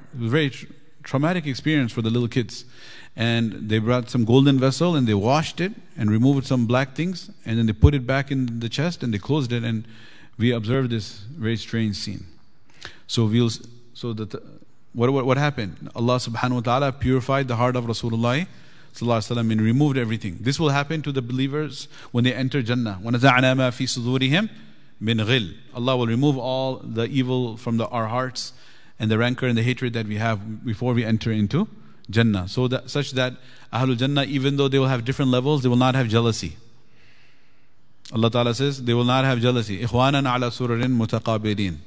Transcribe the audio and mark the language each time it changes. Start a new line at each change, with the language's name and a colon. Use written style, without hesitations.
English: It was a very traumatic experience for the little kids. And they brought some golden vessel and they washed it and removed some black things, and then they put it back in the chest and they closed it, and we observed this very strange scene. So what happened? Allah subhanahu wa ta'ala purified the heart of Rasulullah sallallahu alaihi wasallam and removed everything. This will happen to the believers when they enter Jannah.
Arabic: وَنَزَعْنَا مَا فِي صُدُورِهِمْ Min ghil.
English: Allah will remove all the evil from our hearts and the rancor and the hatred that we have before we enter into Jannah. Such that Ahlul Jannah, even though they will have different levels, they will not have jealousy. Allah Ta'ala says they will not have jealousy.
Arabic: Ikhwanan ala surarin mutaqabirin.